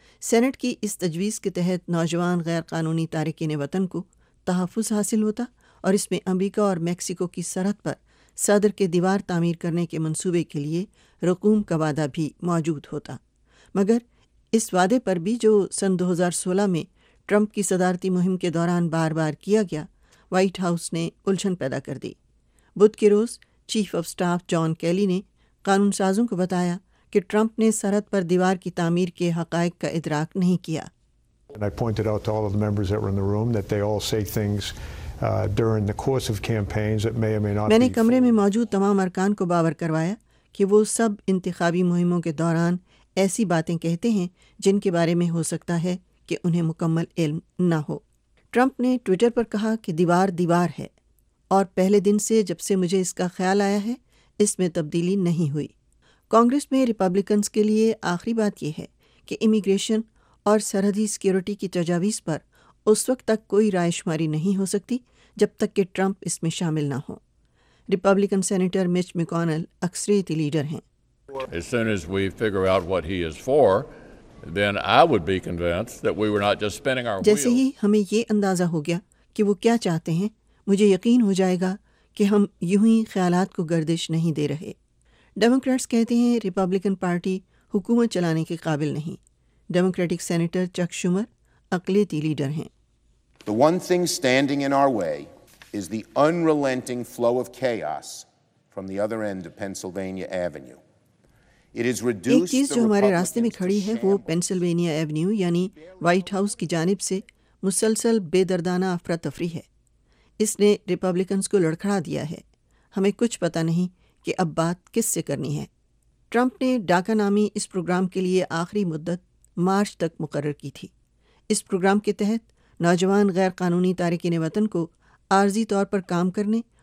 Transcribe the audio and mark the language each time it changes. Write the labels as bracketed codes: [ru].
[ur] Saint کی اس تجویز کے تحت نوجوان غیر قانونی تارکین وطن کو تحفظ حاصل ہوتا، اور اس میں امریکہ اور میکسیکو کی سرحد پر صدر کے دیوار تعمیر کرنے کے منصوبے کے لیے رقوم کا وعدہ بھی موجود ہوتا۔ مگر اس وعدے پر بھی جو سن 2016 میں ٹرمپ کی صدارتی مہم کے دوران بار بار کیا گیا، وائٹ ہاؤس نے الجھن پیدا کر دی۔ بدھ کے روز چیف آف سٹاف جان کیلی نے قانون سازوں کو بتایا کہ ٹرمپ نے سرحد پر دیوار کی تعمیر کے حقائق کا ادراک نہیں کیا۔ [en] And I pointed out to all of the members that were in the room that they all say things during the course of campaigns that may or may not be [ur] میں نے کمرے میں موجود تمام ارکان کو باور کروایا کہ وہ سب انتخابی مہموں کے دوران ایسی باتیں کہتے ہیں جن کے بارے میں ہو سکتا ہے کہ انہیں مکمل علم نہ ہو۔ ٹرمپ نے ٹویٹر پر کہا کہ دیوار دیوار ہے، اور پہلے دن سے جب سے مجھے اس کا خیال آیا ہے اس میں تبدیلی نہیں ہوئی۔ کانگریس میں ریپبلکنز کے لیے آخری بات یہ ہے کہ امیگریشن اور سرحدی سیکیورٹی کی تجاویز پر اس وقت تک کوئی رائے شماری نہیں ہو سکتی جب تک کہ ٹرمپ اس میں شامل نہ ہو۔ ریپبلکن سینیٹر مچ میکونل اکثریتی لیڈر ہیں۔ [en] As soon as we figure out what he is for, then I would be convinced that we were not just spinning our wheels. [ur] جیسے ہی ہمیں یہ اندازہ ہو گیا کہ وہ کیا چاہتے ہیں، مجھے یقین ہو جائے گا کہ ہم یوں ہی خیالات کو گردش نہیں دے رہے۔ ڈیموکریٹس کہتے ہیں ریپبلکن پارٹی حکومت چلانے کے قابل نہیں۔ ڈیموکریٹک سینیٹر چک شومر اقلیتی لیڈر ہیں۔ [en] The one thing standing in our way is the unrelenting flow of chaos from the other end of Pennsylvania Avenue. It is reduced [ur] ایک چیز جو ہمارے راستے میں کھڑی ہے وہ پینسلوینیا ایونیو یعنی وائٹ ہاؤس کی جانب سے مسلسل بے دردانہ افراتفری ہے۔ اس نے ریپبلکنز کو لڑکھڑا دیا ہے۔ ہمیں کچھ پتہ نہیں کہ اب بات کس سے کرنی ہے۔ ٹرمپ نے ڈاکا نامی اس پروگرام کے لیے آخری مدت مارچ تک مقرر کی تھی۔ اس پروگرام کے تحت نوجوان غیر قانونی تارکین وطن کو عارضی طور پر کام کرنے